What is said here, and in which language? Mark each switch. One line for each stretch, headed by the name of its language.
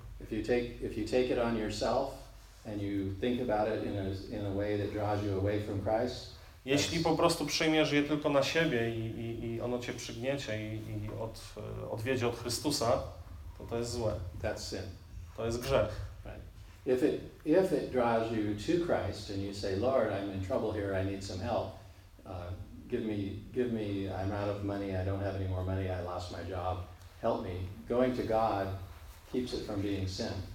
English: If you take it on yourself and you think about it in a way that draws you away from Christ.
Polish: Jeśli po prostu przyjmiesz je tylko na siebie i ono cię przygniecie i odwiedzie od Chrystusa, to jest złe.
English: That's sin.
Polish: To jest grzech.
English: Right. If it draws you to Christ and you say, Lord, I'm in trouble here, I need some help. Give me, I'm out of money, I don't have any more money, I lost my job, help me. Going to God keeps it from being sin.